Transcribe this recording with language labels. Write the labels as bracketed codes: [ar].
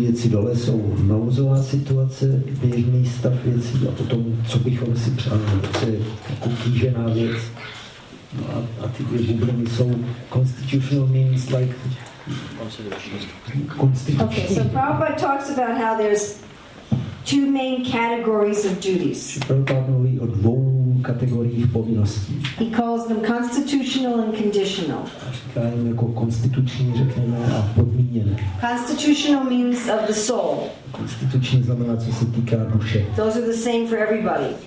[cs] Dole jsou nouzová situace, běžný stav věcí a potom, co bychom si přáli, co je jako tížená věc. No a ty dvě bubliny jsou [en] constitutional means, like... Okay, so Prabhupada talks about how there's two main categories of duties. [cs] Prabhupada mluví o dvou kategoriích povinností. [en] He calls them constitutional and conditional. [cs] Jako konstituční, řekněme, a podmíněné. [en] Constitutional means of the soul. [cs] Konstituční znamená, co se týká duše. [en] Those are the same for everybody.